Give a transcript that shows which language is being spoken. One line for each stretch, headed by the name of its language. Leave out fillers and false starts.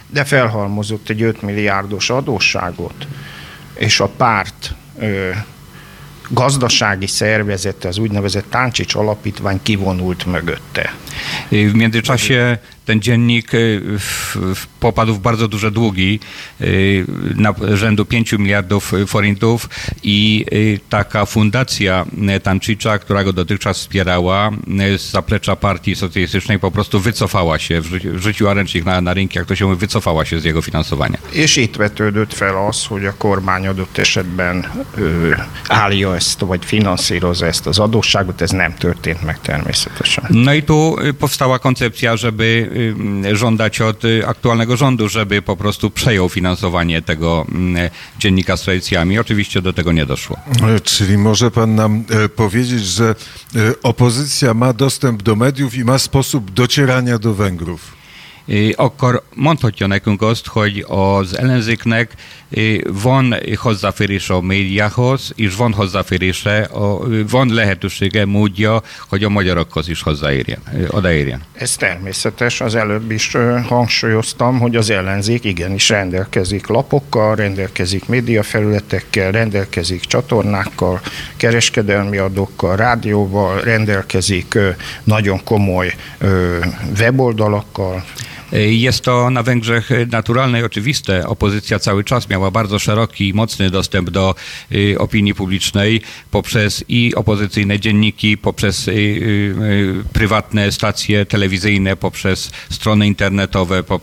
Hungarian: De felhalmozott egy 5 milliárdos adósságot, és a párt gazdasági szervezete, az úgynevezett Táncsics alapítvány kivonult mögötte.
Polish: W międzyczasie ten dziennik popadł w bardzo duże długi na rzędu 5 miliardów forintów i taka fundacja Tancicza, która go dotychczas wspierała z zaplecza partii socjalistycznej, po prostu wycofała się, wrzuciła ręcznik na rynki, jak to się mówi, wycofała się z jego finansowania.
Hungarian: És itt vetődött fel az, hogy a kormány adott esetben állja ezt, vagy finanszírozza ezt az adósságot, ez nem történt meg természetesen.
Polish: No i tu powstała koncepcja, żeby żądać od aktualnego rządu, żeby po prostu przejął finansowanie tego dziennika z tradycjami. Oczywiście do tego nie doszło. Czyli może pan nam powiedzieć, że opozycja ma dostęp do mediów i ma sposób docierania do Węgrów?
Hungarian: Akkor mondhatjuk azt, hogy az ellenzéknek van hozzáférése a médiához, és van hozzáférése, van lehetősége, módja, hogy a magyarokhoz is hozzáérjen, odaérjen. Ez természetes, az előbb is hangsúlyoztam, hogy az ellenzék igenis rendelkezik lapokkal, rendelkezik médiafelületekkel, rendelkezik csatornákkal, kereskedelmi adókkal, rádióval, rendelkezik nagyon komoly weboldalakkal.
Polish: Jest to na Węgrzech naturalne i oczywiste. Opozycja cały czas miała bardzo szeroki i mocny dostęp do opinii publicznej poprzez i opozycyjne dzienniki, poprzez prywatne stacje telewizyjne, poprzez strony internetowe.